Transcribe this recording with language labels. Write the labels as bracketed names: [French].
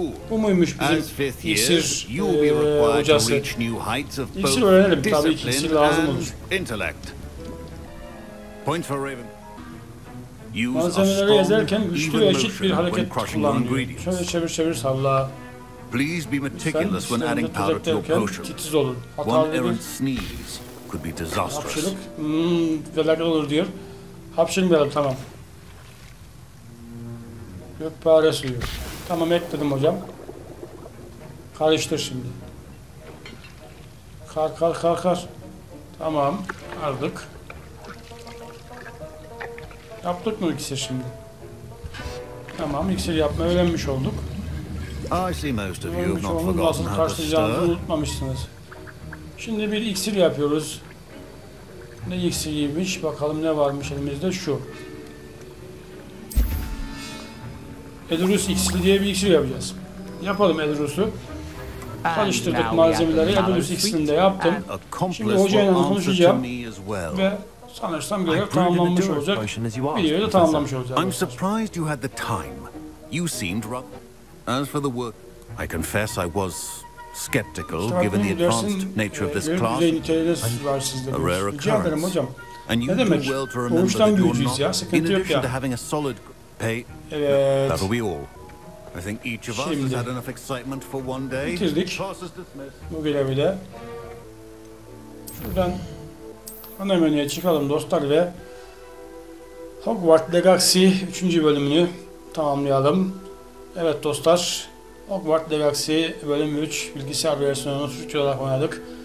[Turkish] Bu muymuş bizim iksir hocası? İksir öğrenelim. Tabii ki iksir lazım olur. [English] Point for Raven. [Turkish] Malzemeleri ezerken güçlü ve eşit bir hareket kullan. Şöyle çevir çevir salla. [English] Please be meticulous when adding power to your potion. [Turkish] Titiz olun. Hatalı bir [English] sneeze could be disastrous. [Turkish] Hapşırık. Felaket olur diyor. Hapşırmayalım, tamam. Gökpare suyu. Tamam, ekledim hocam. Karıştır şimdi. Kalkar. Tamam, aldık. Yaptık mı iksir şimdi? Tamam, iksir yapmayı öğrenmiş olduk. Öğrenmiş olduk, nasıl karşılayacağınızı unutmamışsınız. Şimdi bir iksir yapıyoruz. Ne iksiriymiş, bakalım ne varmış elimizde, şu. Edurus iksiri diye bir iksir yapacağız. Yapalım Edurus'u. Karıştırdık malzemeleri, Edurus iksirini de yaptım. Şimdi hocayla konuşacağım ve sanırsam görev tamamlanmış olacak. Videoyu da tamamlamış olacak. [English] I'm surprised you had the time. You seemed rather... As for the work, I confess I was skeptical given the advanced nature of this class. A rare occurrence. And you do well to remember that you're not, in addition to having a solid pay. [Turkish] Evet. [English] That'll be all. I think each of us has had enough excitement for one day. [Turkish] Bitirdik. Bu görevi de. Şuradan ana menüye çıkalım dostlar ve Hogwarts Legacy 3. bölümünü tamamlayalım. Evet dostlar, Hogwarts Legacy bölüm 3 bilgisayar versiyonunu Türkçe olarak oynadık.